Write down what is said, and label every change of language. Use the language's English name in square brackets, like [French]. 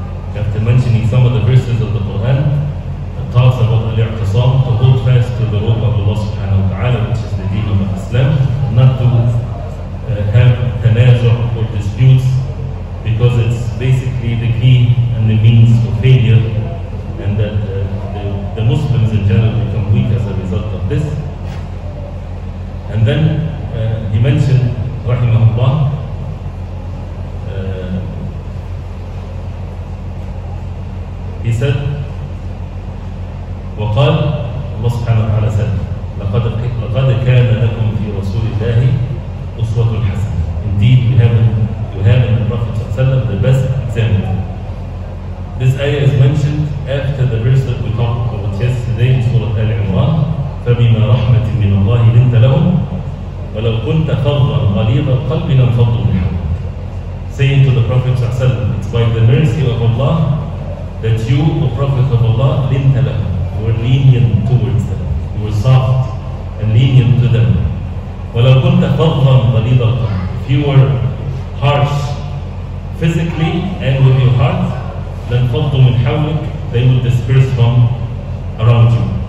[English] After mentioning some of the verses of the Quran, it talks about al-i'tisam, to hold fast to the rope of Allah subhanahu wa ta'ala, which is the deen of Islam, not to have tanazu' or disputes, because it's basically the key and the means for failure, and that the Muslims in general become weak as a result of this. And then he mentioned, rahimahullah, he said, [Arabic] وقال الله سبحانه وتعالى said, لقد كان لكم في رسول الله أسوة حسنة. [English] Indeed, you have in the Prophet ﷺ the best example. This ayah is mentioned after the verse that we talked about yesterday in Surah Al-Imran. [Arabic] فبما رحمة من الله لنت لهم ولو كنت فظا غليظ القلب لانفضوا من حولك. [English] Saying to the Prophet ﷺ, it's by the mercy of Allah that you, O Prophet of Allah, [Arabic] لنت لهم, [English] you were lenient towards them, you were soft and lenient to them. [Arabic] وَلَوْ كُنْتَ فَضْلًا غَلِيظَ الْقَلْبِ, [English] if you were harsh physically and with your heart, then [Arabic] فَضْلُ مِنْ حَوْلِكَ, [English] they would disperse from around you.